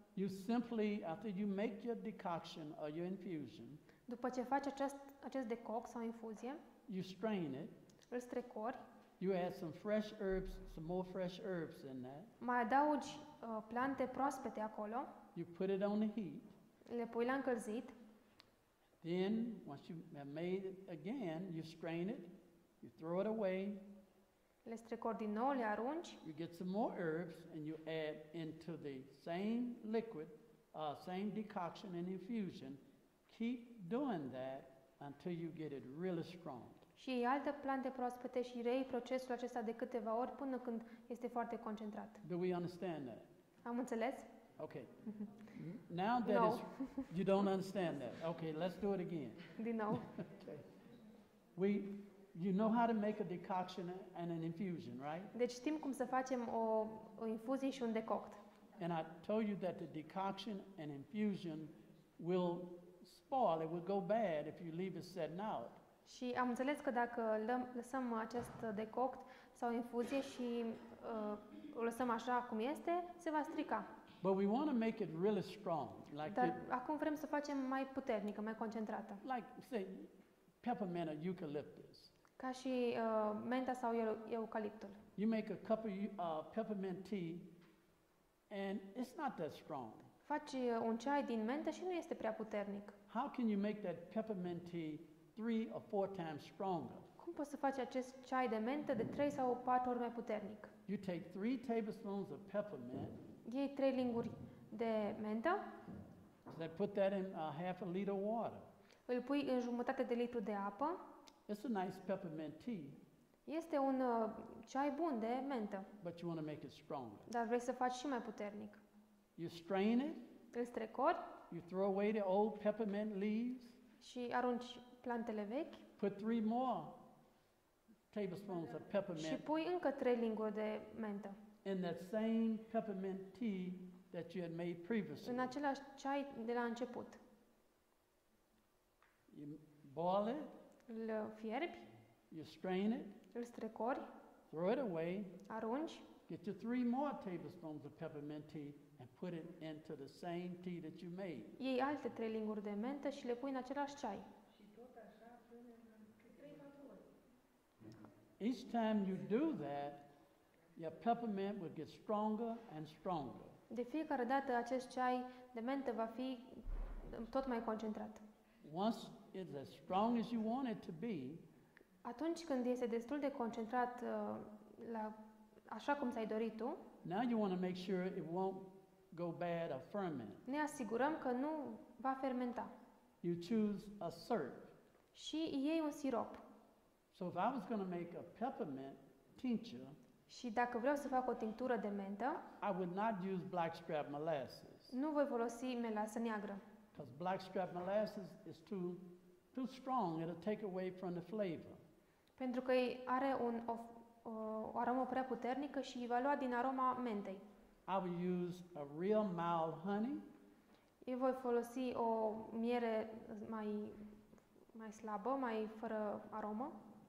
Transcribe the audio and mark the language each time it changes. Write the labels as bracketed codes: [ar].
[en] You simply, after you make your decoction or your infusion, [ro] după ce faci acest decoct sau infuzie, [en] you strain it. [ro] Îl strecori. [en] You add some fresh herbs, some more fresh herbs in that. [ro] Mai adaugi plante proaspete acolo. [en] You put it on the heat. [ro] Le pui la încălzit. [en] Then, once you have made it again, you strain it, you throw it away. [ro] Le strecori din nou, le arunci. [en] You get some more herbs and you add into the same liquid, same decoction and infusion. Keep doing that until you get it really strong. [ro] Și iei alte plante proaspete și reiei procesul acesta de câteva ori până când este foarte concentrat. [en] Do we understand that? [ro] Am înțeles? [en] Okay. Now that no. is, you don't understand that. Okay, let's do it again. [ro] Din nou. [en] Okay. We, you know how to make a decoction and an infusion, right? [ro] Deci știm cum să facem o infuzie și un decoct. [en] And I told you that the decoction and infusion will spoil, it will go bad if you leave it setting out. [ro] Și am înțeles că dacă lăsăm acest decoct sau infuzie și o lăsăm așa cum este, se va strica. [en] But we want to make it really strong, like [ro] dar acum vrem să facem mai puternică, mai concentrată. [en] Like, say, peppermint or eucalyptus. [ro] Ca și menta sau eucaliptul. [en] You make a cup of peppermint tea and it's not that strong. [ro] Faci un ceai din mentă și nu este prea puternic. [en] How can you make that peppermint tea 3 or 4 times stronger? [ro] Cum poți să faci acest ceai de mentă de 3 sau 4 ori mai puternic? [en] You take 3 tablespoons of peppermint. [ro] Iei 3 linguri de mentă. [en] Then put that in a half a liter water. [ro] Îl pui în jumătate de litru de apă. [en] It's a nice peppermint tea. [ro] Este un ceai bun de mentă. [en] But you want to make it stronger. [ro] Dar vrei să faci și mai puternic. [en] You strain it. [ro] Îl strecori. [en] You throw away the old peppermint leaves. [ro] Și arunci plantele vechi. [en] Put 3 more tablespoons of peppermint. [ro] Și pui încă 3 linguri de mentă. [en] In that same peppermint tea that you had made previously. [ro] În același ceai de la început. [en] You boil it. [ro] Îl fierbi. [en] You strain it. [ro] Îl strecori. [en] Throw it away. [ro] Arunci. [en] Get your 3 more tablespoons of peppermint tea and put it into the same tea that you made. [ro] Iei alte 3 linguri de mentă și le pui în același ceai. [en] Each time you do that, your peppermint will get stronger and stronger. [ro] De fiecare dată acest ceai de mentă va fi tot mai concentrat. [en] Once it's as strong as you want it to be, [ro] atunci când este destul de concentrat la așa cum ți-ai dorit tu, [en] now you want to make sure it won't go bad or ferment. [ro] Ne asigurăm că nu va fermenta. [en] You choose a syrup. [ro] Și iei un sirop. [en] So if I was going to make a peppermint tincture, [ro] și dacă vreau să fac o tinctură de mentă, [en] I would not use blackstrap molasses. [ro] Nu voi folosi melasă neagră. [en] Because blackstrap molasses is too strong. It'll take away from the flavor. [ro] Pentru că are o aromă prea puternică și va lua din aroma mentei. [en] I would use a real mild honey. [ro] Eu voi folosi o miere mai slabă, mai fără aromă.